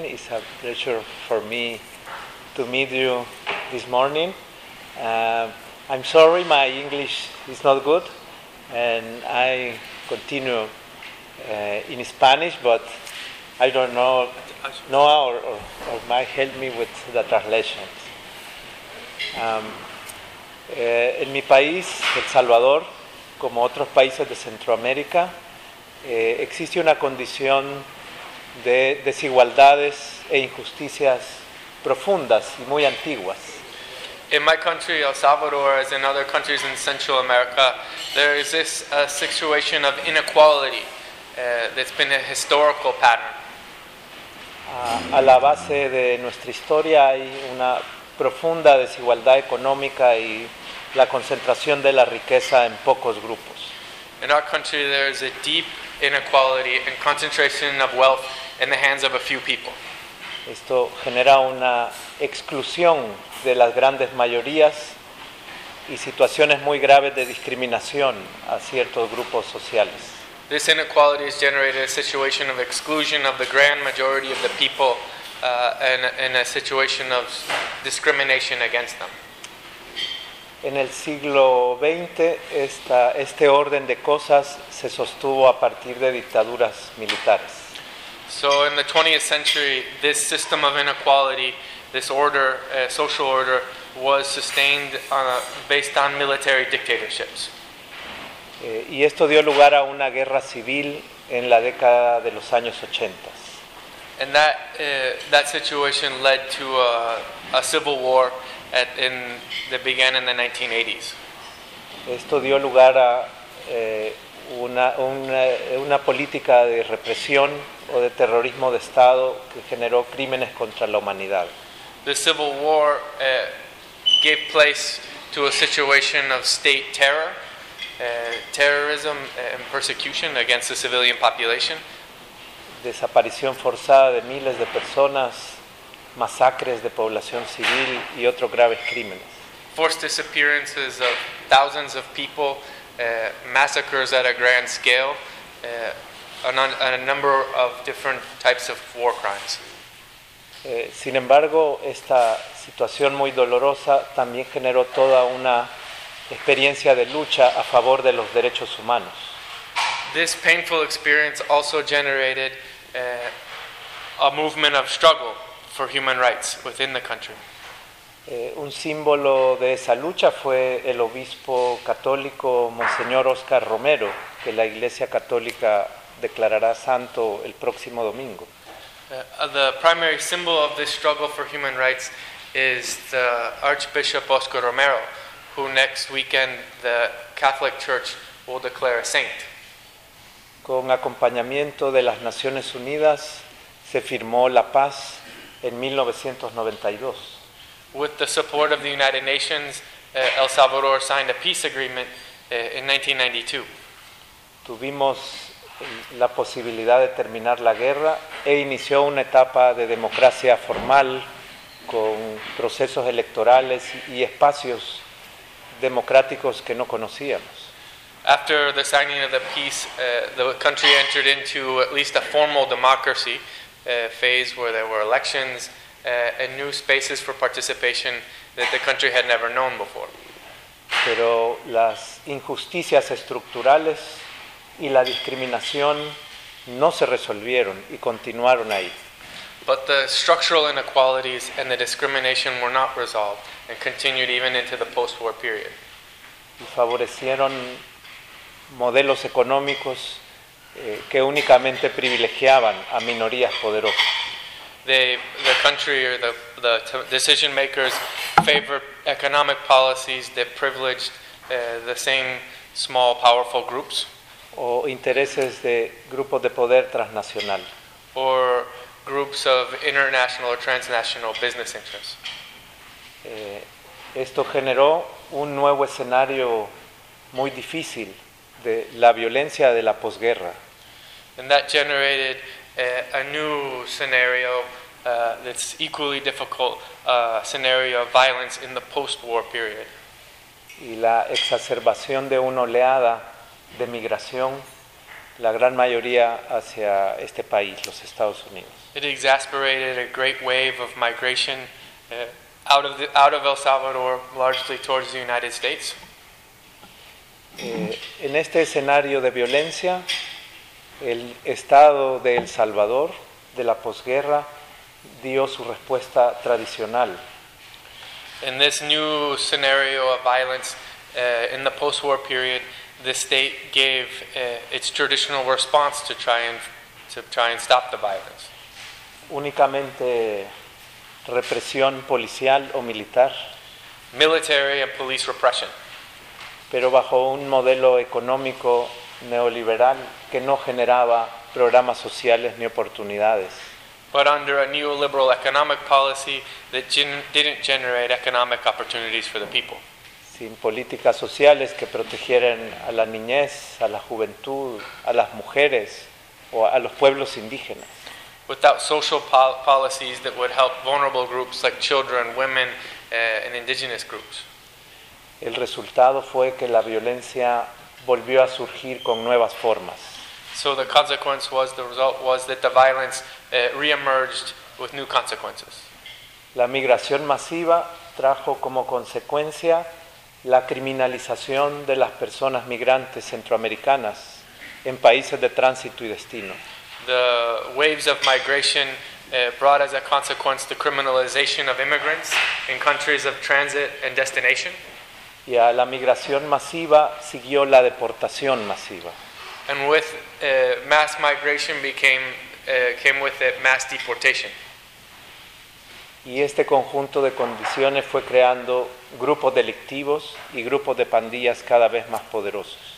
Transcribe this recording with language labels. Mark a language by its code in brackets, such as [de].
[en] It's a pleasure for me to meet you this morning. I'm sorry my English is not good, and I continue in Spanish, but I don't know, Noah or Mike, help me with the translations. [es] En mi país, El Salvador, como otros países de Centroamérica, existe una condición de desigualdades e injusticias profundas y muy antiguas. [en] In my country, El Salvador, as in other countries in Central America, there is this situation of inequality that's been a historical pattern. [es] A la base de nuestra historia hay una profunda desigualdad económica y la concentración de la riqueza en pocos grupos. [en] In our country, there is a deep inequality and concentration of wealth in the hands of a few people. [es] Esto genera una exclusión de las grandes mayorías y situaciones muy graves de discriminación a ciertos grupos sociales. [en] This inequality has generated a situation of exclusion of the grand majority of the people and a situation of discrimination against them. [es] En el siglo XX, este orden de cosas se sostuvo a partir de dictaduras militares. [en] So in the 20th century, this system of inequality, this order, social order, was sustained based on military dictatorships. [es] Y esto dio lugar a una guerra civil en la década de los años 80. [en] And that situation led to a civil war that began in the 1980s. [es] Esto dio lugar a una política de represión o de terrorismo de Estado que generó crímenes contra la humanidad. [en] The civil war gave place to a situation of state terror, terrorism and persecution against the civilian population. [es] Desaparición forzada de miles de personas, masacres de población civil y otros graves crímenes. [en] Forced disappearances of thousands of people, massacres at a grand scale, a number of different types of war crimes. [es] Sin embargo, esta situación muy dolorosa también generó toda una experiencia de lucha a favor de los derechos humanos. [en] This painful experience also generated a movement of struggle for human rights within the country. [es] Un símbolo de esa lucha fue el obispo católico Monseñor Oscar Romero, que la Iglesia Católica declarará santo el próximo domingo. [en] The primary symbol of this struggle for human rights is the Archbishop Oscar Romero, who next weekend the Catholic Church will declare a saint. [es] Con acompañamiento de las Naciones Unidas, se firmó la paz en 1992. [en] With the support of the United Nations, El Salvador signed a peace agreement in 1992. [es] Tuvimos la posibilidad de terminar la guerra e inició una etapa de democracia formal con procesos electorales y espacios democráticos que no conocíamos. [en] After the signing of the peace, the country entered into at least a formal democracy phase where there were elections and new spaces for participation that the country had never known before. [es] Pero las injusticias estructurales y la discriminación no se resolvieron y continuaron ahí. [en] But the structural inequalities and the discrimination were not resolved and continued even into the post-war period. [es] Y favorecieron modelos económicos que únicamente privilegiaban a minorías poderosas. [en] The country or the decision makers favored economic policies that privileged the same small powerful groups. [es] O intereses de grupos de poder transnacional. [en] Or groups of international or transnational business interests. [es] Esto generó un nuevo escenario muy difícil de la violencia de la posguerra. [en] And that generated a new scenario that's equally difficult, a scenario of violence in the post-war period. [es] Y la exacerbación de una oleada de migración, la gran mayoría hacia este país, los Estados Unidos. [en] It exasperated a great wave of migration out of El Salvador, largely towards the United States. [es] En este escenario de violencia, el Estado de El Salvador de la posguerra dio su respuesta tradicional. [en] In this new scenario of violence, in the post-war period, the state gave its traditional response to try and stop the violence. [es] Únicamente represión policial o militar. [en] Military and police repression. [es] Pero bajo un modelo económico neoliberal que no generaba programas sociales ni oportunidades. [en] But under a neoliberal economic policy that didn't generate economic opportunities for the people. [es] Sin políticas sociales que protegieran a la niñez, a la juventud, a las mujeres o a los pueblos indígenas. [en] Without social policies that would help vulnerable groups like children, women, and indigenous groups. [es] El resultado fue que la violencia volvió a surgir con nuevas formas. [en] So the consequence was, the result was that the violence reemerged with new consequences. [es] La migración masiva trajo como consecuencia la criminalización de las personas migrantes centroamericanas en países de tránsito y destino. [en] The waves of migration brought as a consequence the criminalization of immigrants in countries of transit and destination. [es] Y a la migración masiva siguió la deportación masiva. [en] And with mass migration came with it mass deportation. [es] Y este conjunto de condiciones fue creando grupos delictivos y grupos de pandillas cada vez más poderosos.